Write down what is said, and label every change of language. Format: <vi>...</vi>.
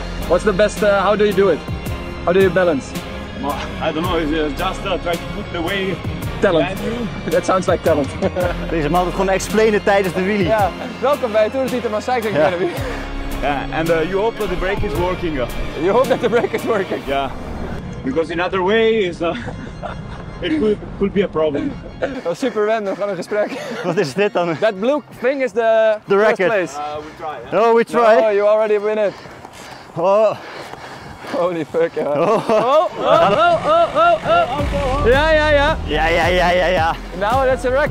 <en>What's the best, how do you do it? How do you balance? I don't know, it's just try to put the way. Talent. That sounds like talent.</en> <nl>Deze man moet gewoon explainen tijdens de wheelie.</nl> <en>Yeah.</en> <nl>Welkom bij Tour de Cycling Academy.</nl> <en>Yeah. And you hope that the brake is working. You hope that the brake is working? Yeah. Because in other way, it could be a problem.</en> <nl>Oh, super random, gewoon een gesprek. Wat is dit dan?</nl> <en>That blue thing is the record. First place. We try. No, you already win it. Oh. Holy fuck, yeah. Oh. Yeah. Now that's a record.</en>